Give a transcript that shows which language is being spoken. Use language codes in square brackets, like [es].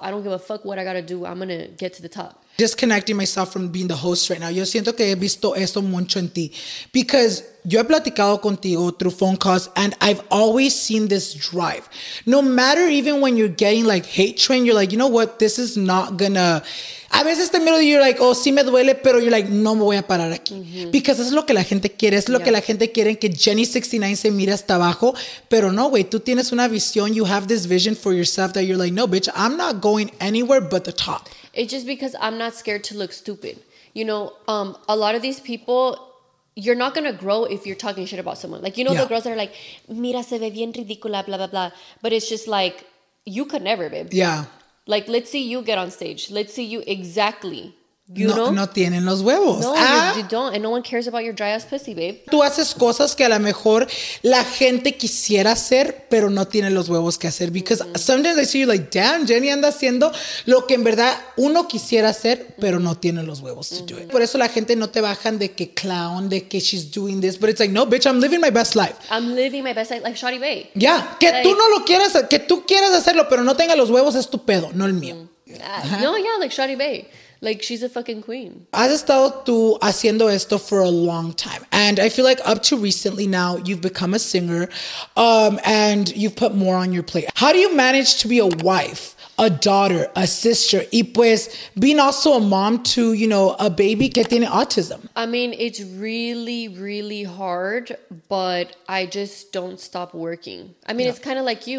[en] I don't give a fuck what I got to do. I'm going to get to the top. Disconnecting myself from being the host right now. [es] Yo siento que he visto eso mucho en ti. [en] Because [es] yo he platicado contigo [en] through phone calls and I've always seen this drive. No matter even when you're getting like hate train, you're like, you know what? This is not going to... [es] A veces te miro y [en] you're like, oh, [es] sí me duele, pero [en] you're like, [es] no me voy a parar aquí. Mm-hmm. Because es lo que la gente quiere. Es lo que la gente quiere, que Jenny69 se mire hasta abajo. Pero no, güey, tú tienes una visión. [en] You have this vision for yourself that you're like, no, bitch, I'm not going anywhere but the top. It's just because I'm not scared to look stupid. You know, a lot of these people, you're not going to grow if you're talking shit about someone. Like, you know, the girls that are like, [es] mira, se ve bien ridícula, [en] blah, blah, blah. But it's just like, you could never, babe. Yeah. Like, let's see you get on stage. Let's see you exactly. You no, know? [es] No tienen los huevos. [en] No, you don't. And no one cares about your dry ass pussy, babe. [es] Tú haces cosas que a lo mejor la gente quisiera hacer, pero no tienen los huevos que hacer. [en] Because sometimes I see you like, damn, [es] Jenny anda haciendo lo que en verdad uno quisiera hacer, pero no tienen los huevos [en] to do it. [es] Por eso la gente no te bajan de que clown, de que [en] she's doing this. But it's like, no, bitch, I'm living my best life. I'm living my best life, like Shawty Bae. [es] Yeah, que like, tú no lo quieras, que tú quieras hacerlo, pero no tenga los huevos, es tu pedo, no el mío. [en] No, yeah, like Shawty Bae. Like, she's a fucking queen. [es] Has estado tú haciendo esto [en] for a long time. And I feel like up to recently now, you've become a singer and you've put more on your plate. How do you manage to be a wife, a daughter, a sister, [es] y pues [en] being also a mom to, you know, a baby [es] que tiene [en] autism? I mean, it's really, really hard, but I just don't stop working. I mean, it's kind of like you.